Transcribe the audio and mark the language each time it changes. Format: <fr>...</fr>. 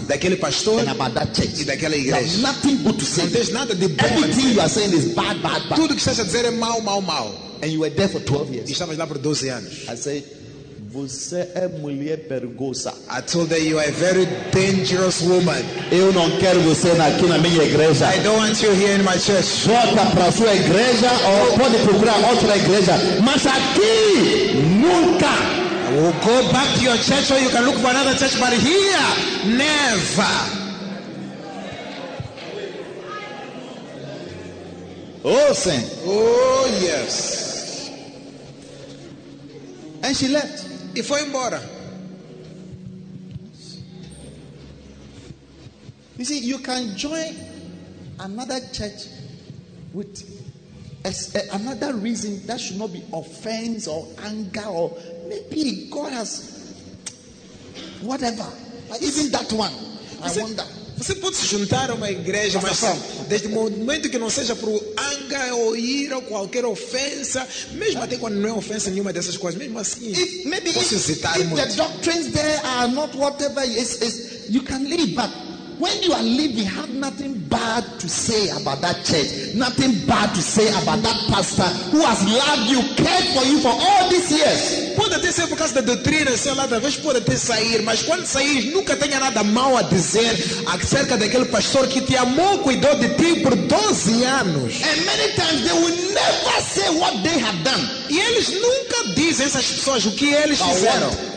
<pt>Daquele pastor.</pt> <en>And about that church.</en> <pt>E daquela igreja.</pt> <en>You have nothing good to say.</en> <pt>Não tens nada de bom.</pt> <en>Everything you are saying is bad, bad, bad.</en> <pt>Tudo que estás a dizer é mal, mal, mal.</pt> <en>And you were there for 12 years.</en> <pt>E estavas lá por 12 anos.</pt> <en>I said,</en> <pt>você é mulher perigosa.</pt> <en>I told her you are a very dangerous woman.</en> <pt>Eu não quero você aqui na minha igreja.</pt> <en>I don't want you here in my church.</en> <pt>Volta para sua igreja ou pode procurar outra igreja. Mas aqui nunca.</pt> <en>I will go back to your church or you can look for another church, but here never.</en> <pt>Oh, sim.</pt> <en>Oh, yes. And she left.</en> <pt>E foi embora.</pt> <en>You see, you can join another church with another reason that should not be offense or anger or maybe God has whatever. But even that one, I wonder.</en> <pt>Você pode se juntar a uma igreja, mas desde o momento que não seja por anga ou ira ou qualquer ofensa, mesmo até quando não é ofensa nenhuma dessas coisas, mesmo assim, posso hesitar muito.</pt> <en>The doctrines there are not whatever is, you can leave, but when you are leaving, have nothing bad to say about that church, nothing bad to say about that pastor who has loved you, cared for you for all these years.</en> <pt>Pode até ser por causa da doutrina, sei lá, talvez pode até sair, mas quando sair, nunca tenha nada mal a dizer acerca daquele pastor que te amou, cuidou de ti por 12 anos.</pt> <en>And many times they will never say what they have done.</en> <pt>E eles nunca dizem essas pessoas o que eles fizeram.</pt>